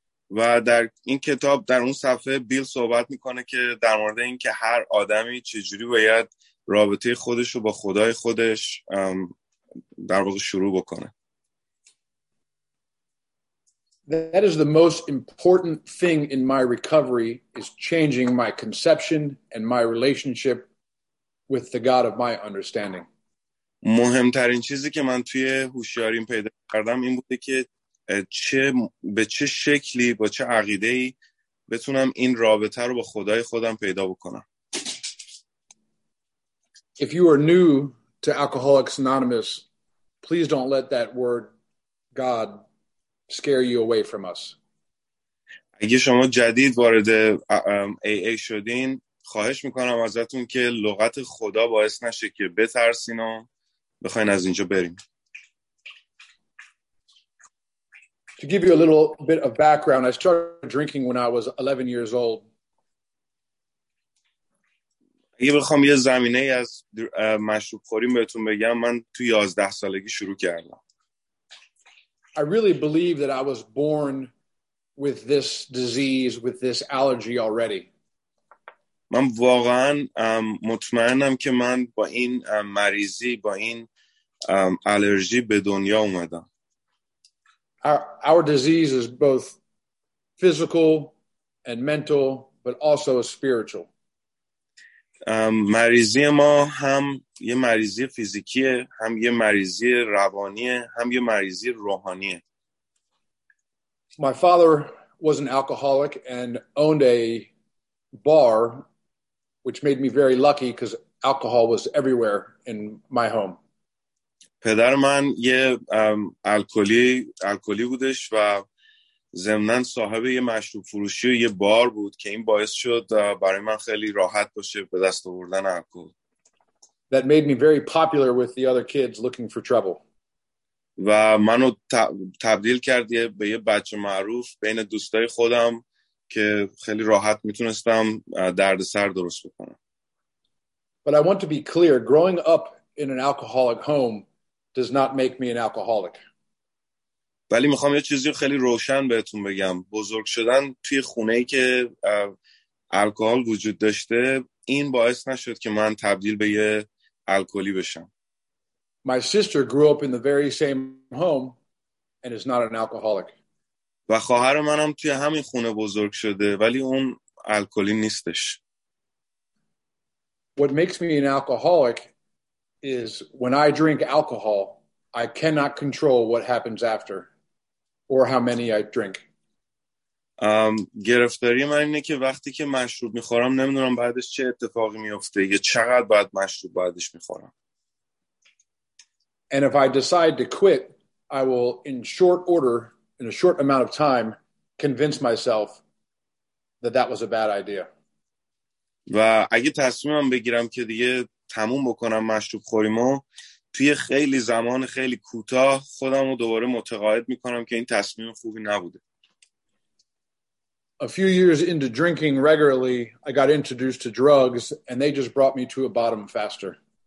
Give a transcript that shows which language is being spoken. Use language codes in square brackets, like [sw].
[fa] و در این کتاب در اون صفحه بیل صحبت میکنه که در مورد اینکه هر آدمی چجوری باید رابطه خودش رو با خدای خودش در واقع شروع بکنه. [en] That is the most important thing in my recovery is changing my conception and my relationship with the God of my understanding. [fa] مهمترین چیزی که من توی هوشیاریم پیدا کردم این بوده که به چه شکلی با چه عقیده‌ای بتونم این رابطه رو با خدای خودم پیدا بکنم. [en] If you are new to Alcoholics Anonymous, please don't let that word God scare you away from us. [fa] اگه شما جدید وارد AA شدین خواهش میکنم ازتون که لغت خدا باعث نشه که بترسین و بخواین از اینجا بریم. [en] To give you a little bit of background, I started drinking when I was 11 years old. [fa] اگه بخوام یه زمینه از مشروب خوریم بهتون بگم من تو 11 سالگی شروع کردم. [en] I really believe that I was born with this disease, with this allergy already. [fa] من واقعا مطمئنم که من با این مریضی با این آلرژی به دنیا اومدم. [en] Our disease is both physical and mental but also spiritual. [fa] مریضی ما هم یه مریضی فیزیکیه، هم یه مریضی روانیه، هم یه مریضی روحانیه. [en] My father was an alcoholic and owned a bar which made me very lucky because alcohol was everywhere in my home. [fa] پدر من یه الکلی بودش و ضمناً صاحب یه مشروب فروشی و یه بار بود که این باعث شد برای من خیلی راحت باشه به دست آوردن الکل. [en] That made me very popular with the other kids looking for trouble. [fa] و منو تبدیل کرد به یه بچه معروف بین دوستای خودم که خیلی راحت میتونستم دردسر درست بکنم. [en] But I want to be clear, growing up in an alcoholic home does not make me an alcoholic. [fa] ولی میخوام یه چیزی خیلی روشن بهتون بگم. بزرگ شدن توی خونه‌ای که الکل وجود داشته، این باعث نشد که من تبدیل به یه الکلی بشم. [en] My sister grew up in the very same home and is not an alcoholic. [fa] و خواهر منم توی همین خونه بزرگ شده ولی اون الکلی نیستش. [en] What makes me an alcoholic is when I drink alcohol, I cannot control what happens after or how many I drink. [fa] گرفتاری من اینه که وقتی که مشروب میخورم نمیدونم بعدش چه اتفاقی میفته یا چقدر بعد مشروب بعدش میخورم. [en] And if I decide to quit, I will, in short order, in a short amount of time, convince myself that that was a bad idea. [fa] و اگه تصمیمم بگیرم که دیگه تموم بکنم مشروب خوریمو، توی خیلی زمان خیلی کوتاه خودم رو دوباره متقاعد میکنم که این تصمیم خوبی نبوده. [en] A few years into drinking regularly, I got introduced to drugs, and they just brought me to a bottom faster.